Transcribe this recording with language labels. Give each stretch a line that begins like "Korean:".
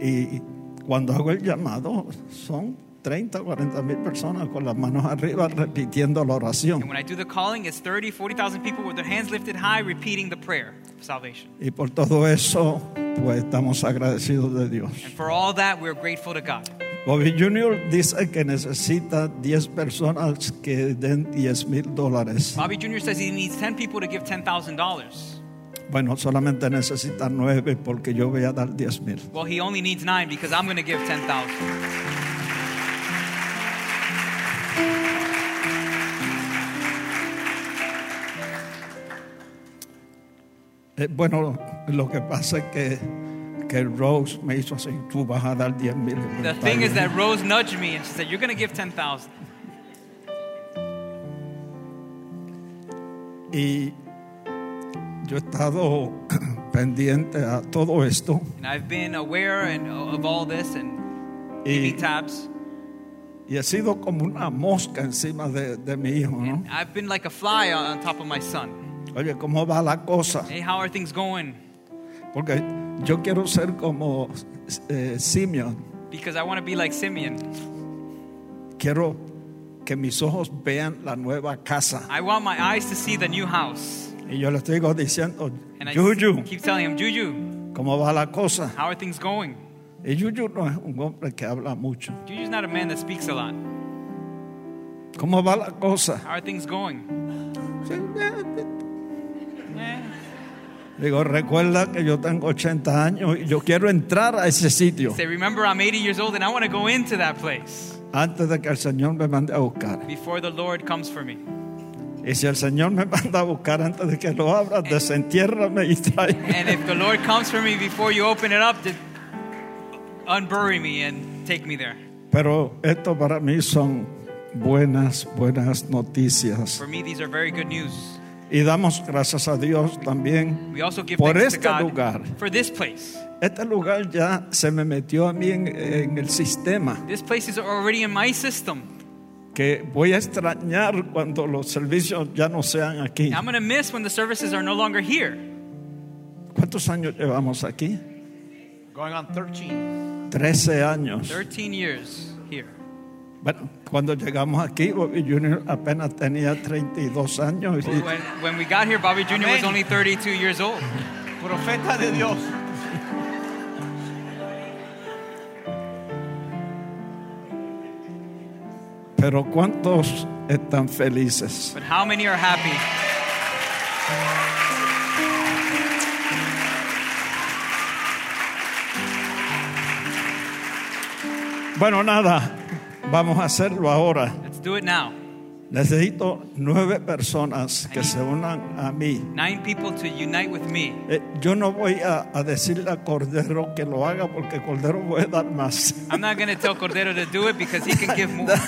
Spanish: Y cuando hago el llamado son 30, 40 mil personas con las manos arriba repitiendo la oración.
English: And when I do the calling it's 30, 40,000 people with their hands lifted high repeating the prayer of salvation.
Spanish: Y por todo eso pues estamos agradecidos de Dios.
English: And for all that we're grateful to God.
Spanish: Bobby Jr. dice que necesita 10 personas que den $10,000.
English: Bobby Jr. says he needs 10 people to give $10,000.
Spanish: Bueno, solamente necesita 9 porque yo voy a dar 10,000.
English: Well, he only needs 9 because I'm going to give 10,000.
Spanish: Bueno, lo que pasa es que Rose me hizo así, tú vas a dar 10,000.
English: The thing is that Rose nudged me and she said, you're going to give 10,000.
Spanish: Y yo he estado pendiente a todo esto.
English: And I've been aware of all this and keeping tabs.
Spanish: Y ha sido como una mosca encima de mi hijo, ¿no?
English: I've been like a fly on top of my son.
Spanish: Oye, ¿cómo va la cosa?
English: Hey, how are things going?
Spanish: Porque yo quiero ser como Simeon.
English: Because I want to be like Simeon.
Spanish: Quiero que mis ojos vean la nueva casa.
English: I want my eyes to see the new house.
Spanish: Y yo le estoy diciendo, Juju.
English: I keep telling him, Juju.
Spanish: ¿Cómo va la cosa?
English: How are things going?
Spanish: Y Juju no es un hombre que habla mucho.
English: Juju's not a man that speaks a lot.
Spanish: ¿Cómo va la cosa?
English: How are things going?
Spanish: Digo, recuerda que yo tengo 80 años y yo quiero entrar a ese sitio.
English: Say, remember, I'm 80 years old and I want to go into that place.
Spanish: Antes de que el Señor me mande a buscar.
English: Before the Lord comes for me.
Spanish: Y si el Señor me manda a buscar antes de que lo abra, desentiérrame y trae.
English: And if the Lord comes for me before you open it up, then unbury me and take me there.
Spanish: Pero esto para mí son buenas, buenas noticias.
English: For me, these are very good news.
Spanish: Y damos gracias a Dios también por este lugar.
English: For this place.
Spanish: Este lugar ya se me metió a mí en el sistema.
English: This place is already in my system.
Spanish: Que voy a extrañar cuando los servicios ya no sean aquí.
English: I'm going to miss when the services are no longer here.
Spanish: ¿Cuántos años llevamos aquí?
English: Going on 13.
Spanish: 13 años.
English: 13 years here.
Spanish: Bueno, cuando llegamos aquí, Bobby Jr. apenas tenía 32 años.
English: Y... When we got here, Bobby Jr. was only 32 years old.
Spanish: Profeta de Dios. Pero ¿cuántos están felices?
English: But how many are happy?
Spanish: Bueno, nada. Vamos a hacerlo ahora.
English: Let's do it now.
Spanish: Necesito 9 personas que se unan a mí.
English: 9 people to unite with me.
Spanish: Yo no voy a decirle a Cordero que lo haga porque Cordero puede dar más.
English: I'm not going to tell Cordero to do it because he can give more.